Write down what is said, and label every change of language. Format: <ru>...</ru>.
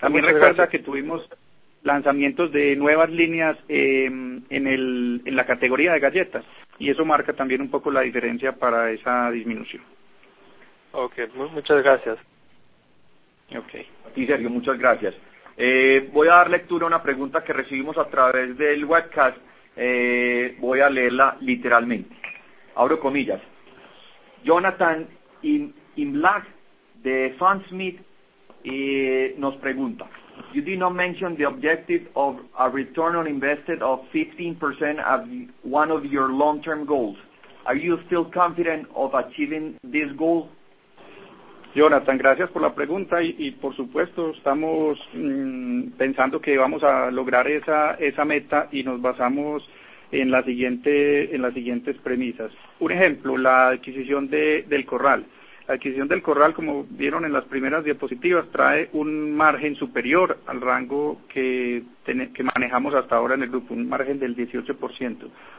<es>También recuerda que tuvimos lanzamientos de nuevas líneas en la categoría de galletas, y eso marca también un poco la diferencia para esa disminución. Ok, muchas gracias. Ok. Y Sergio, muchas gracias. Voy a dar lectura a una pregunta que recibimos a través del webcast. Voy a leerla literalmente. Abro comillas.</es> <en>Jonathan Imlach</en> <es>de Fundsmith nos pregunta:</es> <en>You did not mention the objective of a return on invested of 15% as one of your long-term goals. Are you still confident of achieving this goal?</en> <es>Jonathan, gracias por la pregunta y por supuesto estamos pensando que vamos a lograr esa meta, y nos basamos en las siguientes premisas. Un ejemplo, la adquisición del corral. La adquisición del corral, como vieron en las primeras diapositivas, trae un margen superior al rango que manejamos hasta ahora en el grupo, un margen del 18%.</es>